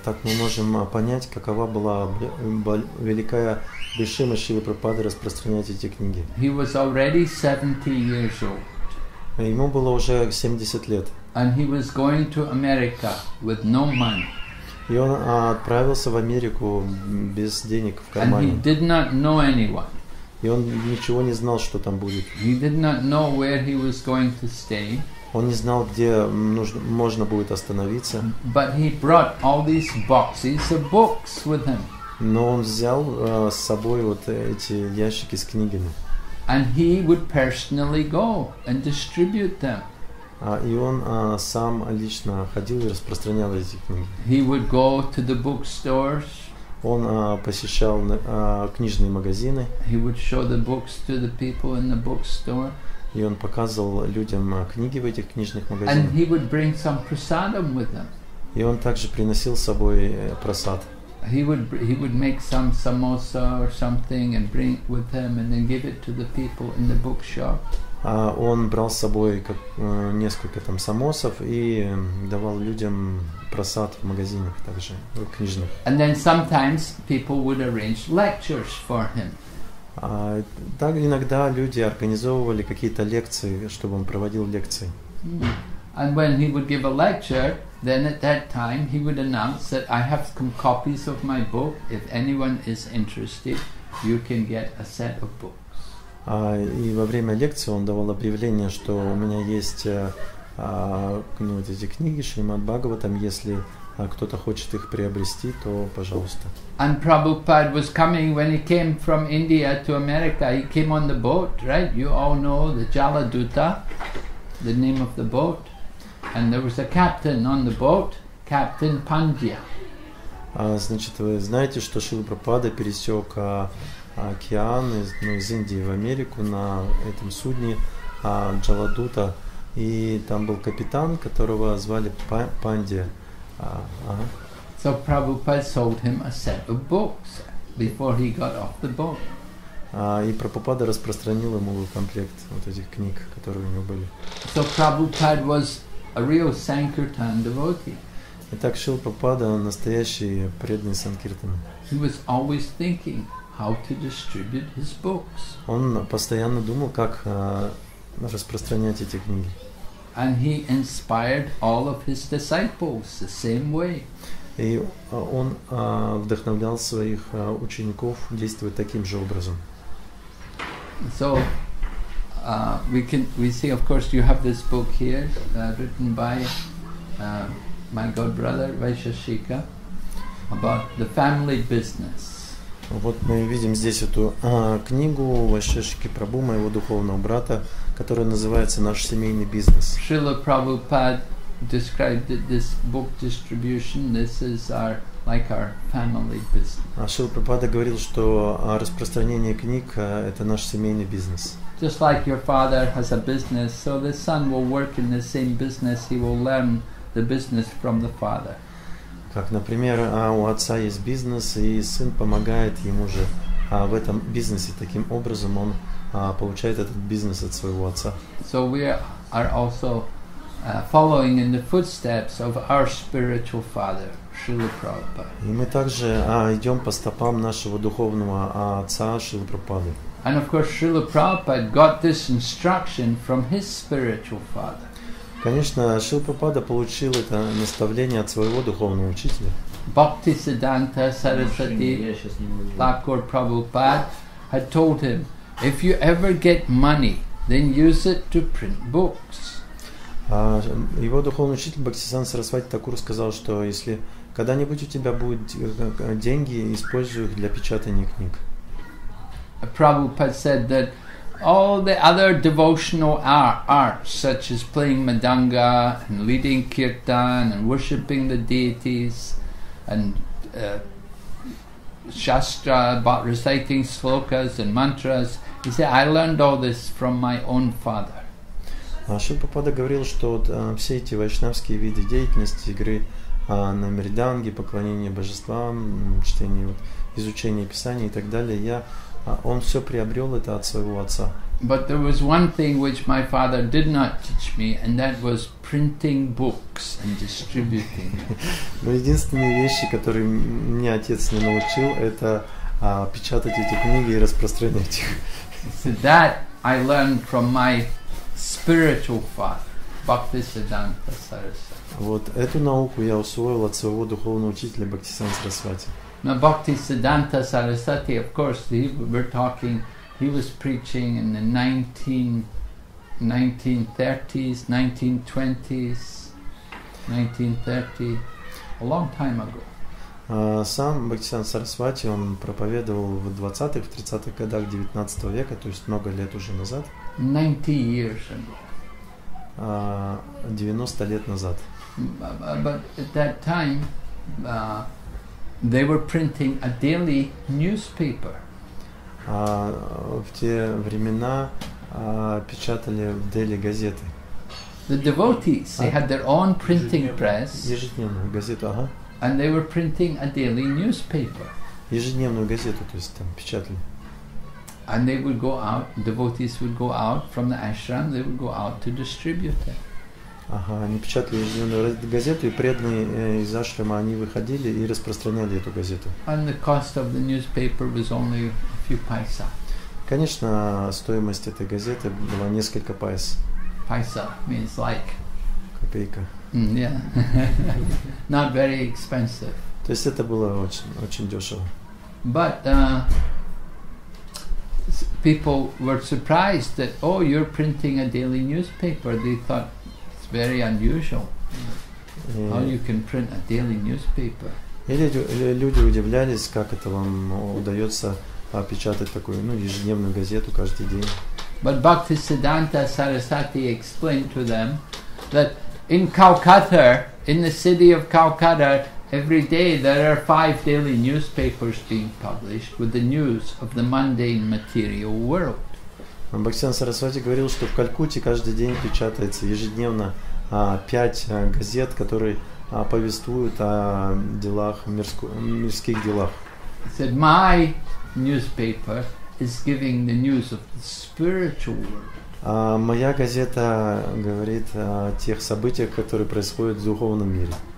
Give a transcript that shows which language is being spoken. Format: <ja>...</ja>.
<ru>Так мы можем понять, какова была великая решимость Шрилы Прабхупады распространять эти книги.</ru> <en>He was already 70 years old.</en> <ru>Ему было уже 70 лет.</ru> <en>And he was going to America with no money.</en> <ru>И он отправился в Америку без денег в кармане.</ru> <en>And he did not know anyone.</en> <ru>И он ничего не знал, что там будет.</ru> <en>He did not know where he was going to stay.</en> <ru>Он не знал, где можно будет остановиться.</ru> <en>But he brought all these boxes of books with him.</en> <ru>Но он взял с собой вот эти ящики с книгами.</ru> <en>And he would personally go and distribute them.</en> <ru>И он сам лично ходил и распространял эти книги.</ru> <en>He would go to the bookstores.</en> <ru>Он посещал книжные магазины.</ru> <en>He would show the books to the people in the bookstore.</en> <ru>И он показывал людям книги в этих книжных магазинах.</ru> <en>And he would bring some prasadam with him.</en> <ru>И он также приносил с собой прасад.</ru> <en>He would make some samosa or something and bring it with him and then give it to the people in the bookshop.</en> <ru>Он брал с собой несколько там самосов и давал людям просад в магазинах также, в книжных.</ru> <en>And then sometimes people would arrange lectures for him.</en> <ru>Так иногда люди организовывали какие-то лекции, чтобы он проводил лекции.</ru> <en>And when he would give a lecture, then at that time he would announce that I have some copies of my book. If anyone is interested, you can get a set of books.</en> <ru>И во время лекции он давал объявление, что у меня есть эти книги Шримад Бхагаватам, если кто-то хочет их приобрести, то пожалуйста.</ru> <en>And Prabhupada was coming when he came from India to America. He came on the boat, right? You all know the Jaladuta, the name of the boat. And there was a captain on the boat, Captain Pandya.</en> <ru>Значит, вы знаете, что Шрила Прабхупада пересек океан из Индии в Америку на этом судне Джаладута, и там был капитан, которого звали Пандия.</ru> <en>So Prabhupada sold him a set of books before he got off the boat.</en> <ru>И Прабхупада распространил ему комплект вот этих книг, которые у него были.</ru> <en>So Prabhupada was a real Sankirtan devotee.</en> <ru>Итак, Шрила Прабхупада настоящий преданный санкиртан.</ru> <en>He was always thinking how to distribute his books.</en> <ru>Он постоянно думал, как распространять эти книги.</ru> <en>And he inspired all of his disciples the same way.</en> <ru>И он вдохновлял своих учеников действовать таким же образом.</ru> <en>So we see, of course, you have this book here, written by my godbrother Vaisheshika, about the family business.</en> <ru>Вот мы видим здесь эту книгу Вайшешики Прабху, моего духовного брата, которая называется «Наш семейный бизнес».</ru> <en>Шрила Прабхупад described that this book distribution, this is our, like our family business.</en> <ru>Шрила Прабхупада говорил, что распространение книг – это наш семейный бизнес.</ru> <en>Just like your father has a business, so the son will work in the same business, he will learn the business from the father.</en> <ru>Как, например, у отца есть бизнес, и сын помогает ему же в этом бизнесе. Таким образом, он получает этот бизнес от своего отца.</ru> <en>So we are also following in the footsteps of our spiritual father, Srila Prabhupada.</en> <ru>И мы также идем по стопам нашего духовного отца, Шрилы Прабхупады.</ru> <en>And of course, Srila Prabhupada got this instruction from his spiritual father.</en> <ru>Конечно, Шрила Прабхупада получил это наставление от своего духовного учителя.</ru> <en>Бхакти Сиддханта Сарасвати Такур Прабхупад had told him, if you ever get money, then use it to print books.</en> <ru>Его духовный учитель Бхакти Сиддханта Сарасвати Такур сказал, что если когда-нибудь у тебя будут деньги, используй их для печатания книг.</ru> <en>Прабхупад said that all the other devotional arts, such as playing madanga and leading kirtan and worshipping the deities and shastra, about reciting slokas and mantras, he said, I learned all this from my own father.</en> <ru>Шрила Прабхупада говорил, что все эти вайшнавские виды деятельности, игры на мриданге, поклонение божествам, чтение, изучение писания и так далее, я он все приобрел это от своего отца.</ru> <en>But there was one thing which my father did not teach me, and that was printing books and distributing.</en> <ru>Но единственные вещи, которые мне отец не научил, это печатать эти книги и распространять их.</ru> <en>So that I learned from my spiritual father, Bhakti Siddhanta Sarasvati.</en> <ru>Вот эту науку я усвоил от своего духовного учителя Бхакти Сиддханта Сарасвати.</ru> <en>Now Bhakti Siddhanta Sarasvati, of course, he was preaching in the 1930s, 1920s, 1930, a long time ago.</en> <ru>Сам Бхакти Сиддханта Сарасвати, он проповедовал в 20-х, в 30-х годах 19 века, то есть много лет уже назад.</ru> <en>90 years ago.</en> <ru>90 лет назад.</ru> <en>But at that time, they were printing a daily newspaper.</en> <ru>В те времена печатали в Дели газеты.</ru> <en>The devotees, they had their own printing press.</en> <ru>Ежедневную газету, ага.</ru> <en>And they were printing a daily newspaper.</en> <ru>Ежедневную газету, то есть там печатали.</ru> <en>And they would go out, devotees would go out from the ashram, they would go out to distribute it.</en> <ru>Ага, они печатали газету, и преданные из ашрама, они выходили и распространяли эту газету.</ru> <en>And the cost of the newspaper was only a few paisa.</en> <ru>Конечно, стоимость этой газеты была несколько пайс.</ru> <en>Paisa means like...</en> <ru>Копейка.</ru> <en>Yeah. Not very expensive.</en> <ru>То есть это было очень, очень дешево.</ru> <en>But people were surprised that, oh, you're printing a daily newspaper. They thought, very unusual. How you can print a daily newspaper?</en> <ru>Люди удивлялись, как это вам удается печатать такую, ну, ежедневную газету каждый день.</ru> <en>But Bhakti Siddhanta Sarasvati explained to them that in Calcutta, in the city of Calcutta, every day there are 5 daily newspapers being published with the news of the mundane material world.</en> <ru>Бхакти Сиддханта Сарасвати говорил, что в Калькутте каждый день печатается ежедневно 5 газет, которые повествуют о делах, мирских делах.</ru> <en>He said, my newspaper is giving the news of the spiritual world.</en> <ru>Моя газета говорит о тех событиях, которые происходят в духовном мире.</ru>